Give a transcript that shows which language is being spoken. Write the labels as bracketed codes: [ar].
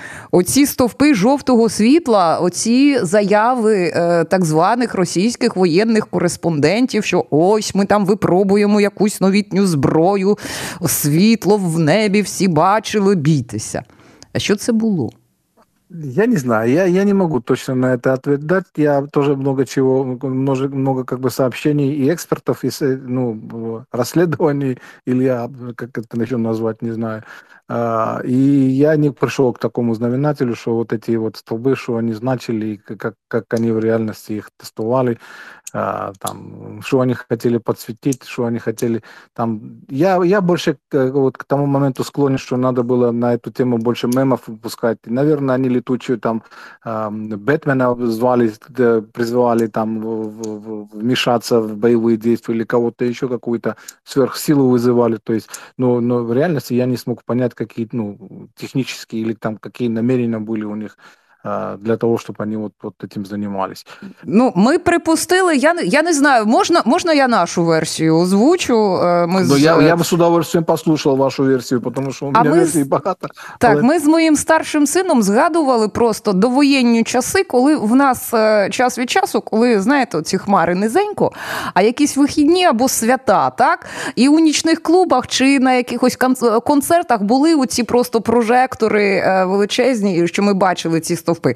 [uk] Оці стовпи жовтого світла, оці заяви так званих російських воєнних кореспондентів, що ось ми там випробуємо якусь новітню зброю, світло в небі всі бачили, бійтеся. А що це було? [ru] Я не знаю, я не могу точно на это ответить. Я тоже много чего, много как бы сообщений и экспертов, и, ну, расследований, или я, как это еще назвать, не знаю. И я не пришел к такому знаменателю, что вот эти вот столбы, что они значили, и как они в реальности их тестовали, там, что они хотели подсветить, что они хотели. Там, я больше вот к тому моменту склонен, что надо было на эту тему больше мемов выпускать. Наверное, они летучую там Бэтмена звали, призывали там вмешаться в боевые действия или кого-то еще, какую-то сверхсилу вызывали. То есть, но в реальности я не смог понять, какие, ну, технические или там какие намерения были у них для того, чтобы они вот этим занимались. Ну, мы припустили, я не знаю, можно я нашу версию озвучу? Я бы с удовольствием послушал вашу версию, потому что у меня [uk] версій багато. Так, ми з моїм старшим сином згадували просто довоєнні часи, коли в нас час від часу, коли, знаєте, ці хмари низенько, а якісь вихідні або свята, так? І у нічних клубах чи на якихось концертах були оці просто прожектори величезні, що ми бачили ці стовпи.